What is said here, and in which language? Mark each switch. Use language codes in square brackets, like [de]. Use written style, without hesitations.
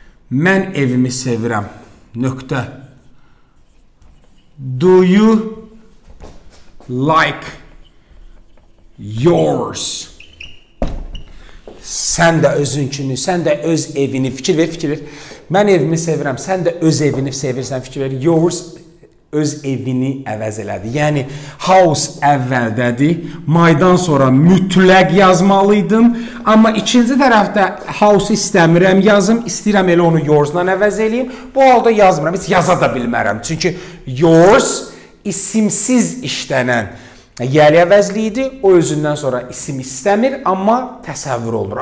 [az] Mən evimi sevirəm. Nöqtə. [en] Do you like yours? [az] Sən də özünkünü, sən də öz evini. Fikir ver. Mən evimi sevirəm. Sən də öz evini sevirsən. Fikir ver. Yours öz evini əvəz elədi. Yəni, house əvvəldədir. Maydan sonra mütləq yazmalıydım. Amma ikinci tərəfdə house istəmirəm yazım. İstəyirəm elə onu yours-la əvəz eləyim. Bu halda yazmıram. Heç yaza da bilmərəm. Çünki yours isimsiz işlənən yəli əvəzliyidir. O özündən sonra isim istəmir, amma təsəvvür olunur.